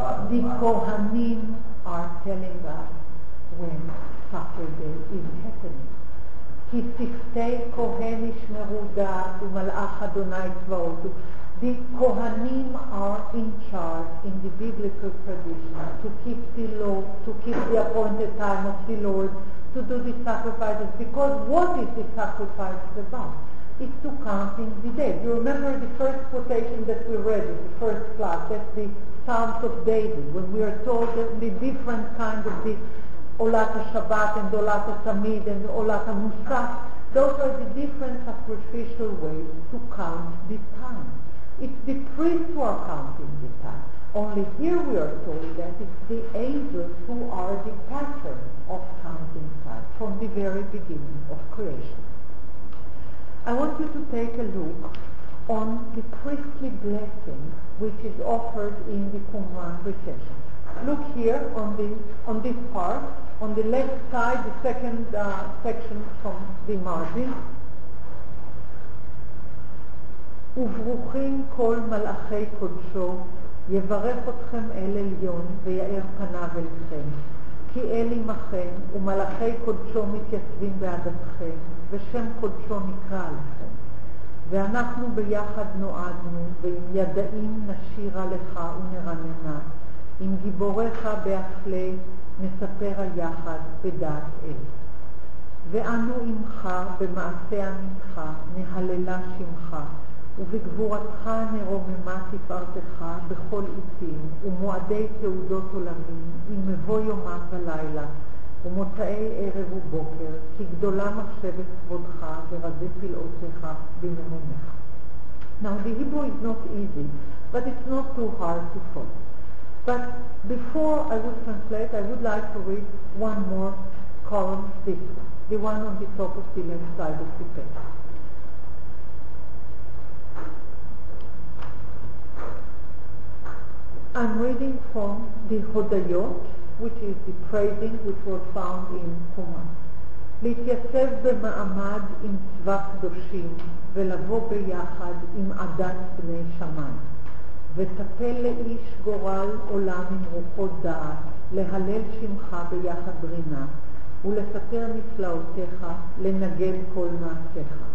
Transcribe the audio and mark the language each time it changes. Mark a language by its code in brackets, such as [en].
[en] The Kohanim are telling us when Saturday is happening. [he] כי שפתי כהן ישמרו דעת ומלאך אדוני צבאות. [en] The Kohanim are in charge in the biblical tradition to keep the law, to keep the appointed time of the Lord, to do the sacrifices. Because what is the sacrifice about? It's to count in the day. You remember the first quotation that we read in the first class, that's the Psalms of David, when we are told that the different kinds of the Olat HaShabbat and Olat HaTamid and Olat HaMusaf, those are the different sacrificial ways to count the time. It's the priests who are counting the time. Only here we are told that it's the angels who are the pattern of counting time from the very beginning of creation. I want you to take a look on the priestly blessing which is offered in the Qumran recession. Look here on this part, on the left side, the second section from the margin. [he] וברוכים כל מלאכי קודשו, יברך אתכם אל עליון ויאר פניו אליכם, כי אל עמכם ומלאכי קודשו מתייצבים בעדתכם, ושם קודשו נקרא עליכם. ואנחנו ביחד נועדנו, ועם ידעים נשירה לך ונרננה, עם גיבוריך באפלי נספר היחד בדעת אל. ואנו עמך במעשה המתך נהללה שמך, ובגבורתך נרוממה תפארתך בכל עתים, ומועדי תעודות עולמים, עם מבוא יומה ולילה, ומוצאי ערב ובוקר, כי גדולה מחשבת כבודך ורזי פלאותיך במהומך. [en] Now the Hebrew is not easy, but it's not too hard to follow. But before I would translate, I would like to read one more column, this one, the one on the top of the left side of the page. I'm reading from the Hodayot, which is the praising which was found in Qumran. [he] להתייצב במעמד עם צבא קדושים ולבוא ביחד עם עדת בני שמיים, וטפל לאיש גורל עולם עם רוחות דעת, להלל שמך ביחד ברינה, ולספר מפלאותיך, לנגד כל מעשיך,